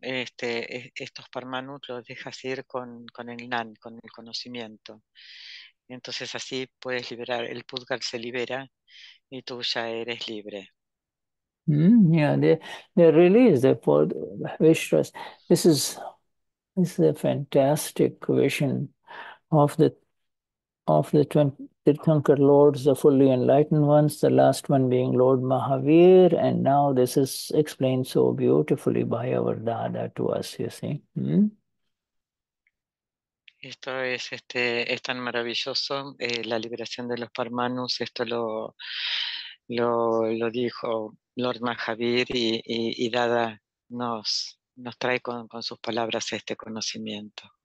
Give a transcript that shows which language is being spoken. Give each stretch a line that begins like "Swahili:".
Spanish: Estos parmanos los dejas ir con el Nan, con el conocimiento. Entonces así puedes liberar, el Pudgal se libera y tú ya eres libre.
English: They release the Vishras. This is a fantastic vision of the 20 Tirthankar lords, the fully enlightened ones, the last one being Lord Mahavir, and now this is explained so beautifully by our Dada to us, you see.
Spanish: Esto es tan maravilloso, la liberación de los parmanus. Esto lo dijo Lord Mahavir y Dada nos trae con sus palabras este conocimiento.